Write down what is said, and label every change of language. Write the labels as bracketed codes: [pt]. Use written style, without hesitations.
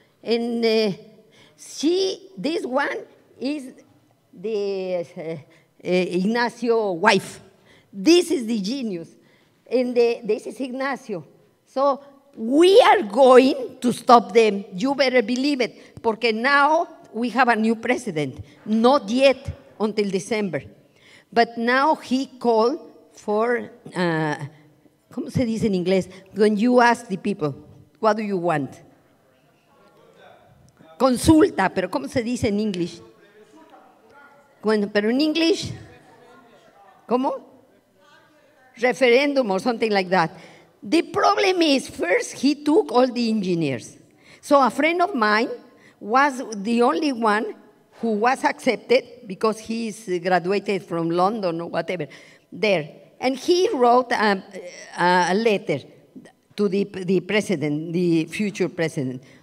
[en] And she, this one, is the Ignacio wife. This is the genius. And this is Ignacio. So we are going to stop them. You better believe it. [es] Porque [en] now we have a new president. Not yet, until December. But now he called for, [es] ¿cómo se dice en inglés? [en] When you ask the people, what do you want? [es] Consulta, pero ¿cómo se dice en English? Bueno, pero en English, ¿cómo? [en] Referendum or something like that. The problem is, first he took all the engineers. So a friend of mine was the only one who was accepted because he's graduated from London or whatever, there. And he wrote a letter to the president, the future president.